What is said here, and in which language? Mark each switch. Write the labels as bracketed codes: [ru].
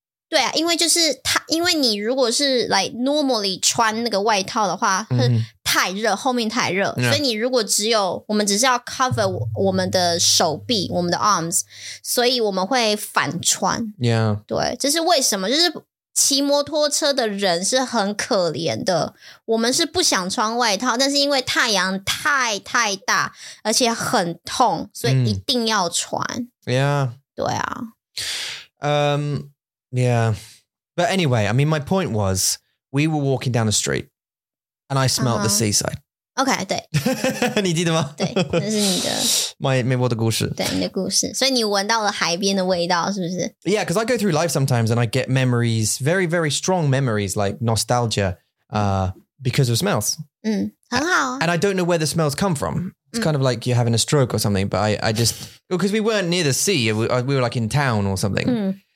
[zh] 对啊,因为就是它,因为你如果是 [en] like normally [zh] 穿那个外套的话, 太热,后面太热, 所以你如果只有,我们只是要 [en] cover [zh] 我们的手臂, 我们的 [en] arms, [zh] 所以我们会反穿。 [en] Yeah. [zh] 对,这是为什么, 就是骑摩托车的人是很可怜的, 我们是不想穿外套, 但是因为太阳太大, 而且很痛, 所以一定要穿。 [en] Yeah. [zh] 对啊。 [en] Yeah. But anyway, I mean, my point was, we were walking down the street and I smelled the seaside. Okay, [zh] 对. 你记得吗? 对,那是你的. [en] My, [zh] 我的故事. 对,你的故事. 所以你闻到了海边的味道,是不是? [en] Yeah, because I go through life sometimes and I get memories, very, very strong memories, like nostalgia, because of smells. [zh] 嗯,很好啊. [en] And I don't know where the smells come from. It's kind of like you're having a stroke or something, but I just, because we weren't near the sea, we were like in town or something. [zh] 嗯.